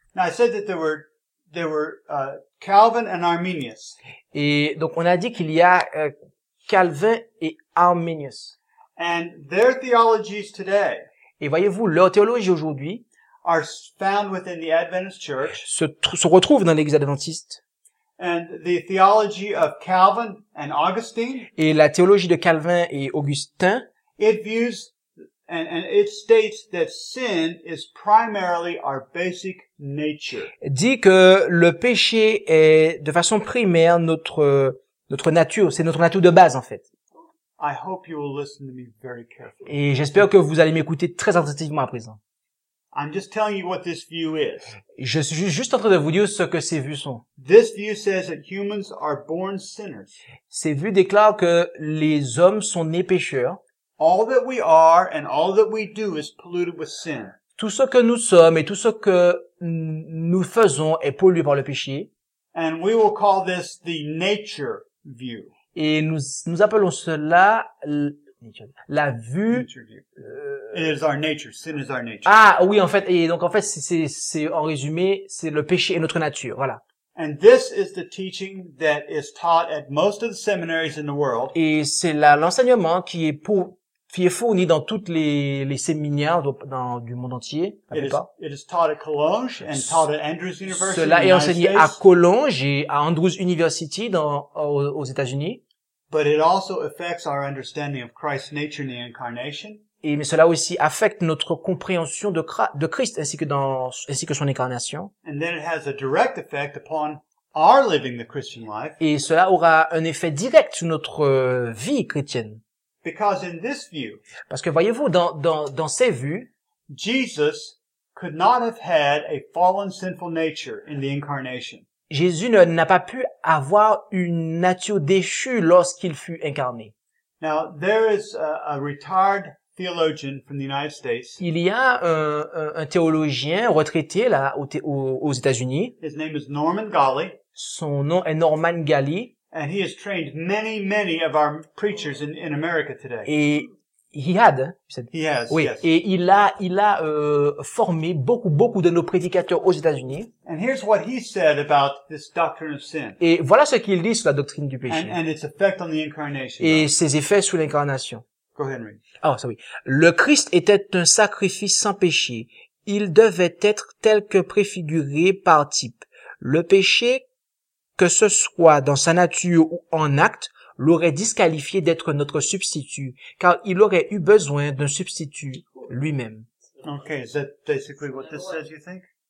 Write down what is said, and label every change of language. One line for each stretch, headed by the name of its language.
English: Now I said that there were Calvin and Arminius.
French: Et donc on a dit qu'il y a Calvin et Arminius.
English: And their theologies today.
French: Et voyez-vous, leur théologie aujourd'hui
English: are found within the Adventist Church.
French: Se retrouve dans l'Église adventiste.
English: And the theology of Calvin and Augustine.
French: Et la théologie de Calvin et Augustin.
English: It views and it states that sin is primarily our basic nature.
French: Dit que le péché est de façon primaire notre nature, c'est notre nature de base en fait.
English: I hope you will listen to me very carefully.
French: Et j'espère que vous allez m'écouter très attentivement à présent.
English: I'm just telling you what this view is.
French: Je suis juste en train de vous dire ce que ces vues sont.
English: This view says that humans are born sinners.
French: Ces vues déclarent que les hommes sont nés pécheurs.
English: All that we are and all that we do is polluted with sin.
French: Tout ce que nous sommes et tout ce que nous faisons est pollué par le péché.
English: And we will call this the nature view.
French: Et nous appelons cela la vue.
English: It is our nature. Sin is our nature.
French: Ah oui, en fait, et donc en fait, c'est en résumé, c'est le péché est notre nature, voilà.
English: And this is the teaching that is taught at most of the seminaries in the world.
French: Et c'est l'enseignement qui est fourni dans toutes les séminaires du monde entier.
English: It is taught at Cologne and taught at Andrews University.
French: Cela est enseigné à Cologne et à Andrews University aux États-Unis.
English: But it also affects our understanding of Christ's nature in the incarnation.
French: Mais cela aussi affecte notre compréhension de Christ ainsi que son incarnation.
English: And then it has a direct effect upon our living the Christian life.
French: Et cela aura un effet direct sur notre vie chrétienne.
English: Because in this view,
French: parce que voyez-vous, dans ces vues,
English: Jesus could not have had a fallen sinful nature in the incarnation.
French: Jésus n'a pas pu avoir une nature déchue lorsqu'il fut incarné.
English: Now there is a retired theologian from the United States.
French: Il y a un théologien retraité là aux États-Unis.
English: His name is Norman Galley.
French: Son nom est Norman Galley.
English: And he has trained many, many of our preachers in America today. Et he had. Said, he has.
French: Oui.
English: Yes.
French: Et il a formé beaucoup, beaucoup de nos prédicateurs aux États-Unis.
English: And here's what he said about this doctrine of sin.
French: Et voilà ce qu'il dit sur la doctrine du péché.
English: And its effect on the incarnation.
French: Et ses effets sur l'incarnation.
English: Go ahead, Henry. Oh, sorry.
French: Le Christ était un sacrifice sans péché. Il devait être tel que préfiguré par type. Le péché, que ce soit dans sa nature ou en acte, l'aurait disqualifié d'être notre substitut, car il aurait eu besoin d'un substitut lui-même.
English: Okay, is that basically what this says, you think?